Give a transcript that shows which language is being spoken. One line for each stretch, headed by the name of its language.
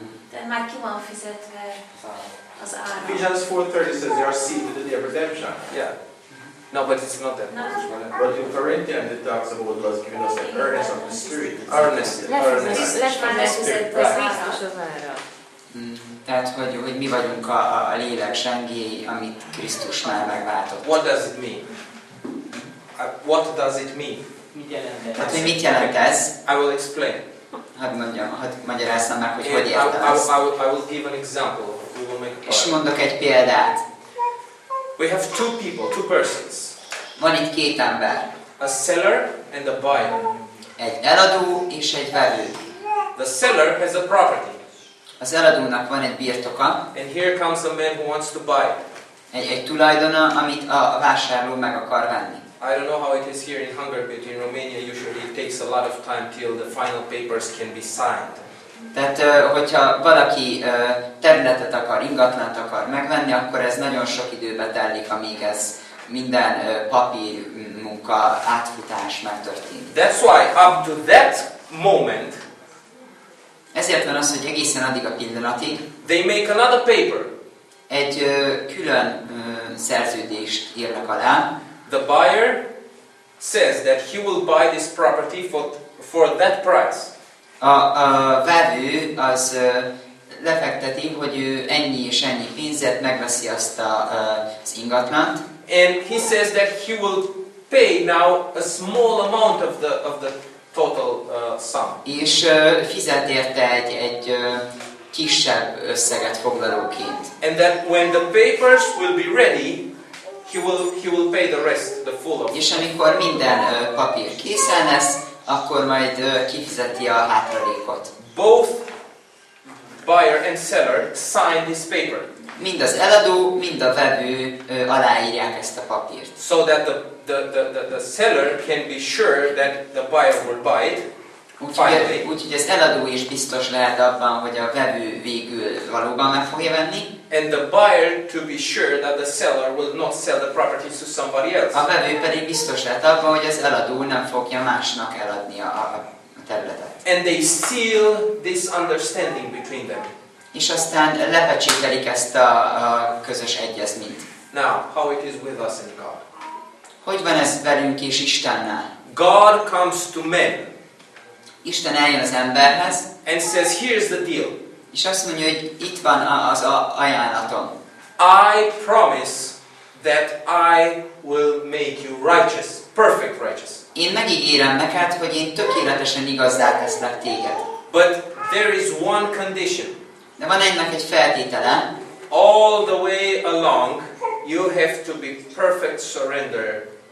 Hungarian: Tehát már ki van fizetve az ára.
English: Ephesians 4:30 says they are sealed to their redemption. Yeah. No, but it's not that. But in Corinthians it talks about what God's given us, the earnest of the spirit. Earnest.
Hungarian: Tehát hogy mi vagyunk a lélek zsengéi, amit Krisztus már megváltott.
English: What does it mean? What does it mean?
Hungarian: Hát mi mit jelent ez?
English: I will explain.
Hungarian: Hadd magyarázzam meg, hogy hogy értem ezt.
English: I will give an example. We will make a part.
Hungarian: És mondok egy példát.
English: We have two people, two persons.
Hungarian: Van itt két ember.
English: A seller and a buyer.
Hungarian: Egy eladó és egy vevő.
English: The seller has a property.
Hungarian: Az eladónak van egy birtoka.
English: And here comes a man who wants to buy.
Hungarian: Egy tulajdona, amit a vásárló meg akar venni.
English: I don't know how it is here in Hungary, but in Romania usually it takes a lot of time till the final papers can be signed.
Hungarian: Tehát, hogyha valaki területet akar, ingatlant akar megvenni, akkor ez nagyon sok időbe telik, amíg ez minden papír munka átfutás megtörténik.
English: That's why up to that moment.
Hungarian: Ezért van az, hogy egészen addig a pillanatig.
English: They make another paper.
Hungarian: Egy külön szerződést írnak alá.
English: The buyer says that he will buy this property for that price.
Hungarian: A vevő az lefekteti, hogy ő ennyi és ennyi pénzért megveszi azt az ingatlant.
English: And he says that he will pay now a small amount of the total sum.
Hungarian: És fizet érte egy kisebb összeget foglalóként.
English: And that when the papers will be ready, He will pay the rest, the full of.
Hungarian: És amikor minden papír készen lesz, akkor majd kifizeti a hátralékot.
English: Both buyer and seller sign this paper.
Hungarian: Mind az eladó, mind a vevő aláírják ezt a papírt.
English: So that the seller can be sure that the buyer will buy it.
Hungarian: Úgyhogy az eladó is biztos lehet abban, hogy a vevő végül valóban meg fogja venni.
English: And the buyer to be sure that the seller will not sell the property to somebody else.
Hungarian: A vevő pedig biztos lehet abban, hogy az eladó nem fogja másnak eladni a területet.
English: And they seal this understanding between them.
Hungarian: És aztán lepecsételik ezt a közös egyezményt.
English: Now, how it is with us and God?
Hungarian: Hogy van ez velünk és Istennel?
English: God comes to men.
Hungarian: Isten eljön az emberhez.
English: And says, here's the deal.
Hungarian: És azt mondja, hogy itt van az ajánlatom.
English: I promise that I will make you righteous, perfect righteous.
Hungarian: Én megígérem neked, hogy én tökéletesen igazzá teszlek téged.
English: But there is one condition.
Hungarian: De van ennek egy feltétele.
English: All the way along, you have to be perfect surrendered.